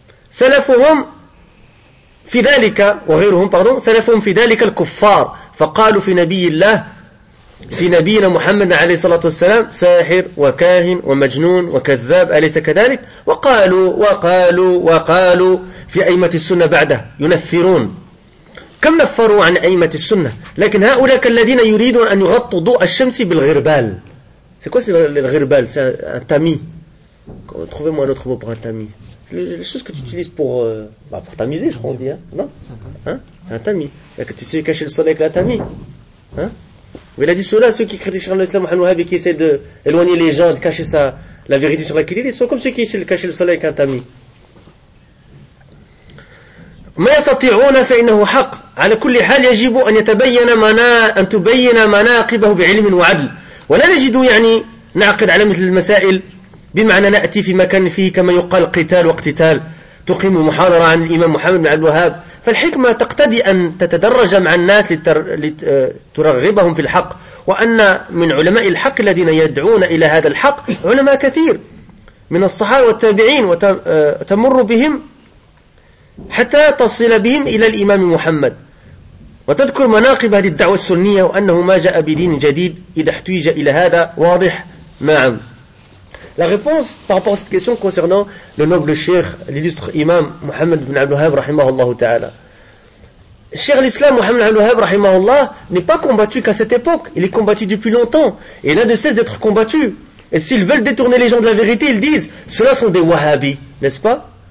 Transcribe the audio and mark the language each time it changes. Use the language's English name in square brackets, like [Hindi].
[Arabic] سلفهم في ذلك وغيرهم pardon سلفهم في ذلك الكفار فقالوا في نبي الله في نبينا محمد عليه الصلاة والسلام ساحر وكاهن ومجنون وكذاب أليس كذلك وقالوا في أئمة السنة بعده ينفرون كم نفروا عن أئمة السنة لكن هؤلاء الذين يريدون أن يغطوا ضوء الشمس بالغربال [French] c'est quoi l'ghirbal c'est un tamis trouvez moi un autre mot pour un tamis les choses que tu utilises pour tamiser, je crois, on dit. Non ? C'est un tamis. C'est un tamis. Tu sais cacher le soleil avec la tamis. Il a dit ceux-là, ceux qui critiquent l'islam, et qui essaient d'éloigner les gens, de cacher ça, la vérité sur laquelle ils sont comme ceux qui essaient de cacher le soleil avec un tamis. [Arabic] ما يستطيعون فإنه حق. على كل حال يجب أن يتبين أن تبين مناقبه بعلم وعدل. ولا نجد يعني نعقد على مثل المسائل بمعنى نأتي في مكان فيه كما يقال قتال واقتتال تقيم محاضرة عن الإمام محمد بن عبد الوهاب فالحكمة تقتضي أن تتدرج مع الناس لترغبهم في الحق وأن من علماء الحق الذين يدعون إلى هذا الحق علماء كثير من الصحابة والتابعين وتمر بهم حتى تصل بهم إلى الإمام محمد وتذكر مناقب هذه الدعوة السنية وأنه ما جاء بدين جديد إذا احتيج إلى هذا واضح نعم. [French] La réponse par rapport à cette question concernant le noble cheikh, l'illustre imam Mohammed ibn al-Wahhab, rahimahullah ta'ala. Cheikh l'islam Mohammed ibn al-Wahhab, rahimahullah, n'est pas combattu qu'à cette époque. Il est combattu depuis longtemps. Et il n'a de cesse d'être combattu. Et s'ils veulent détourner les gens de la vérité, ils disent, ceux-là sont des wahhabis, n'est-ce pas?